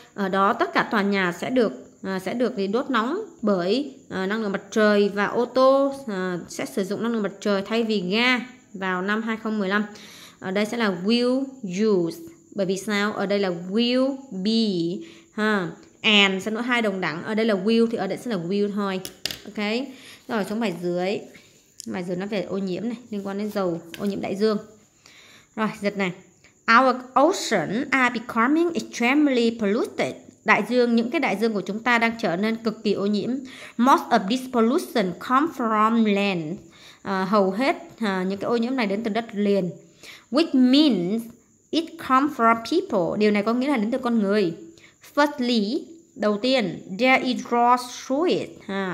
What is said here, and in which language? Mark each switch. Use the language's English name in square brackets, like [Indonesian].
[Vietnamese] Ở đó tất cả tòa nhà sẽ được thì đốt nóng bởi năng lượng mặt trời, và ô tô sẽ sử dụng năng lượng mặt trời thay vì ga vào năm 2015. Ở đây sẽ là will use, bởi vì sao, ở đây là will be ha, and sẽ nói hai đồng đẳng, ở đây là will thì ở đây sẽ là will thôi. Ok, rồi xuống bài dưới. Bài dưới nó về ô nhiễm này, liên quan đến dầu, ô nhiễm đại dương. Rồi giật này, [English] our ocean are becoming extremely polluted. [Vietnamese] Đại dương, những cái đại dương của chúng ta đang trở nên cực kỳ ô nhiễm. [English] Most of this pollution comes from land. [Vietnamese] Hầu hết những cái ô nhiễm này đến từ đất liền. [English] Which means it comes from people. [Vietnamese] Điều này có nghĩa là đến từ con người. [English] Firstly, [Vietnamese] đầu tiên, [English] there is raw sewage.